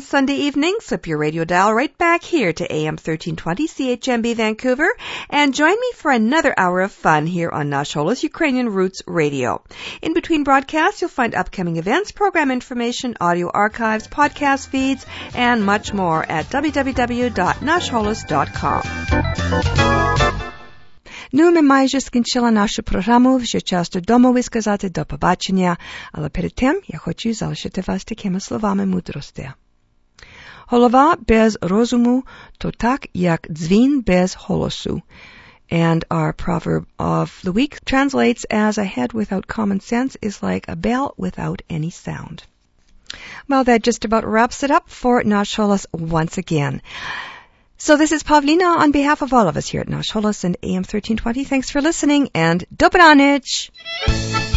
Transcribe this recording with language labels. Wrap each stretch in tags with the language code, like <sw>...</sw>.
<en>Sunday evening, slip your radio dial right back here to AM 1320 CHMB Vancouver and join me for another hour of fun here on Nasholos Ukrainian Roots Radio. In between broadcasts, you'll find upcoming events, program information, audio archives, podcast feeds, and much more at www.nasholos.com.</en> <uk>Ну, ми майже скінчили нашу програму, вже час додому висказати до побачення, але перед тим я хочу залишити вас такими словами мудрості. Голова без розуму – то так, як дзвін без голосу.</uk> <en>And our proverb of the week translates as a head without common sense is like a bell without any sound. Well, that just about wraps it up for Nasholos once again. So this is Pavlina on behalf of all of us here at Nasholos and AM 1320. Thanks for listening and Dobranich!</en>